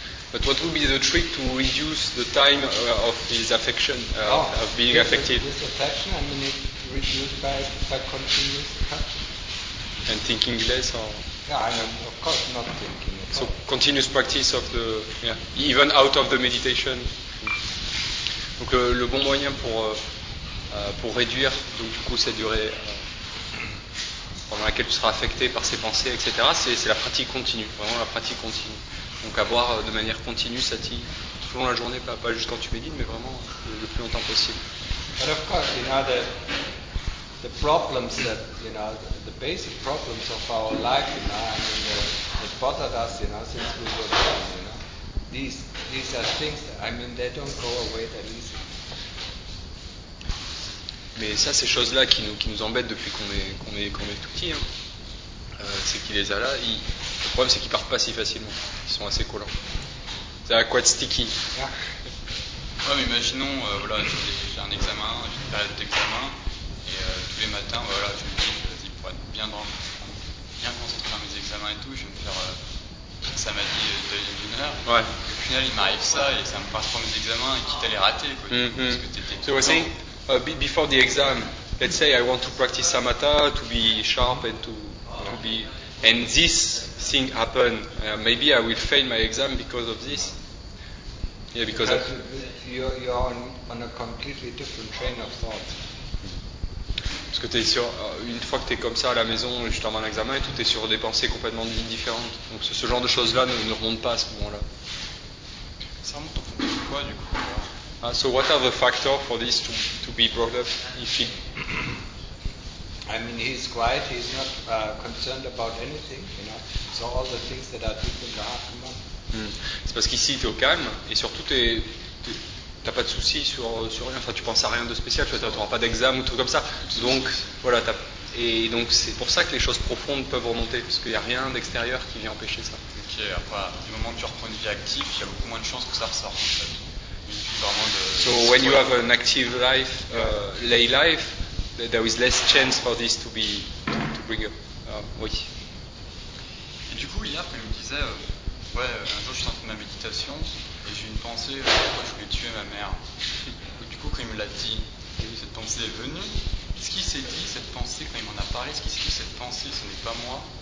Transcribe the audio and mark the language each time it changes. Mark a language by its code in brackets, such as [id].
[en] But what would be the trick to reduce the time of his affection, of being affected? This affection, I mean, it reduced by continuous touching. And thinking less, or? Yeah, I mean, of course not thinking. So continuous practice of the, yeah, even out of the meditation. [fr] Donc le bon moyen pour réduire donc du coup cette durée pendant laquelle tu seras affecté par ces pensées, etc. C'est la pratique continue, vraiment la pratique continue. Donc avoir de manière continue sati tout au long de la journée, pas juste quand tu médites, mais vraiment le plus longtemps possible. [en] But of course, you know, the problems that, you know, the basic problems of our life, you know, and that bothered us, you know, since we were born, you know, these are things that, I mean, they don't go away that easy. [fr] Mais ça, ces choses-là qui nous embêtent depuis qu'on est tout petit, hein. C'est qu'il les a là. Le problème, c'est qu'ils partent pas si facilement. Ils sont assez collants. C'est [en] quite sticky. Yeah. [fr] Ouais, mais imaginons, voilà, j'ai un examen, j'ai une période d'examen. Et tous les matins, voilà, je me dis, vas-y, pour être bien concentré dans mes examens et tout, je vais me faire samadhi d'une heure. Ouais. Au final, il m'arrive ça et ça me passe pour mes examens et quitte à les rater. Quoi, mm-hmm. Parce que t'étais tout le temps. [en] So, I think, before the exam, let's say I want to practice samatha, to be sharp and to be. And this thing happened. Maybe I will fail my exam because of this. Yeah, because you're on a completely different train of thought. [fr] Parce que t'es sur, une fois que tu es comme ça à la maison, juste avant l'examen et tout, tu es sur des pensées complètement différentes. Donc ce genre de choses-là ne remontent pas à ce moment-là. Ça remonte en fonction de quoi, du coup? [en] So what are the factors for this to be brought up, if he... I mean, he's quiet, he's not concerned about anything, you know. So all the things that are deep in the heart come up. [fr] C'est Parce qu'ici, tu es au calme, et surtout, tu n'as pas de soucis sur rien. Enfin, tu penses à rien de spécial, tu n'auras pas d'examen ou trucs comme ça. Donc, voilà, et donc, c'est pour ça que les choses profondes peuvent remonter, parce qu'il n'y a rien d'extérieur qui vient empêcher ça. Ok, après, du moment que tu reprends une vie active, il y a beaucoup moins de chances que ça ressorte, en fait. [en] So when you have an active life, lay life, there is less chance for this to be to bring up. [fr] Oui. Et du coup, hier, elle me disait, un jour, je suis en train de ma méditation et j'ai une pensée, pourquoi je voulais tuer ma mère. Et du coup, quand il me l'a dit, cette pensée est venue. Qu'est-ce qu'il s'est dit cette pensée quand il m'en a parlé? Est-ce qu'il s'est dit cette pensée, ce n'est pas moi?